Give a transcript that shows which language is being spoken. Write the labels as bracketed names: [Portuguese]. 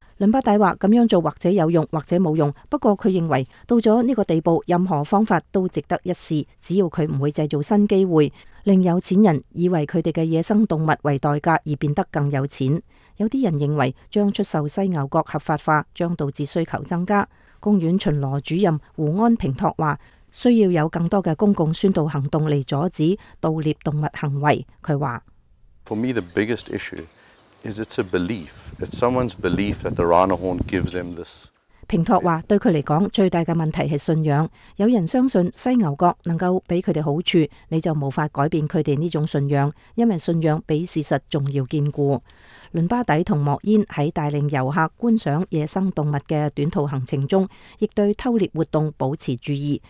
[Chinese] 伦巴底说，这样做或者有用或者没用，不过他认为到了这个地步，任何方法都值得一试，只要他不会制造新机会，令有钱人以为他们的野生动物为代价而变得更有钱。有些人认为将出售犀牛角合法化将导致需求增加。公园巡逻主任胡安平托说，需要有更多的公共宣导行动来阻止盗猎动物行为。他说 [English] For me the biggest issue is it's a belief. It's someone's belief that the rhino horn gives them this. [Chinese] 平托说，对他来说最大的问题是信仰。有人相信犀牛角能够给他们好处，你就无法改变他们这种信仰，因为信仰比事实重要坚固。伦巴底和莫烟在带领游客观赏野生动物的短途行程中，亦对偷猎活动保持注意。